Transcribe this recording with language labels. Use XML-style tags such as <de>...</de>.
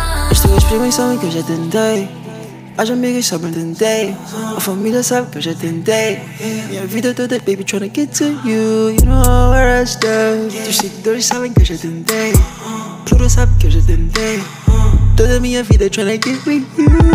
<pt>As tuas primas sabem que eu já tentei. As amigas sabem que eu tentei. A família sabe que eu já tentei. Minha vida toda,</pt> <en>baby, tryna get to you. You know where I stay.</en> <pt>Tus seguidores sabem que eu já tentei. Pluro sabe que eu já tentei. Toda a minha vida</pt> <en>tryna get with you.</en>